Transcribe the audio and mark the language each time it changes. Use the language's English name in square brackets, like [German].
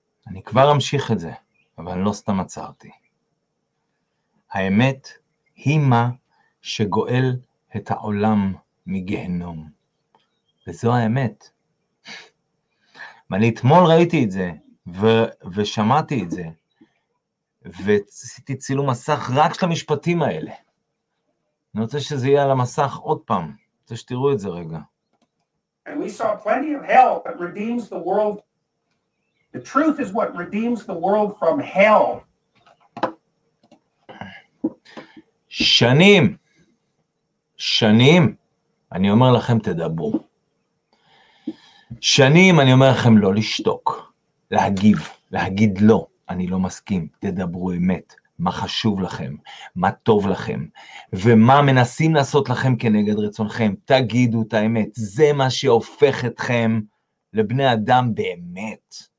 [Hebrew] אני כבר אמשיך את זה, אבל לא סתם עצרתי. האמת היא מה שגואל את העולם מגיהנום. וזו האמת. ואני אתמול ראיתי את זה, ושמעתי את זה, ועשיתי צילום מסך רק של המשפטים האלה. אני רוצה שזה יהיה על המסך עוד פעם. אני רוצה שתראו את זה רגע. [English] And we saw plenty of hell that redeems the world. The truth is what redeems the world from hell. [Hebrew] שנים, שנים, אני אומר לכם תדברו. שנים, אני אומר לכם לא לשתוק, להגיב, להגיד לא, אני לא מסכים, תדברו אמת. מה חשוב לכם, מה טוב לכם, ומה מנסים לעשות לכם כנגד רצונכם, תגידו את האמת, זה מה שהופך אתכם לבני אדם באמת.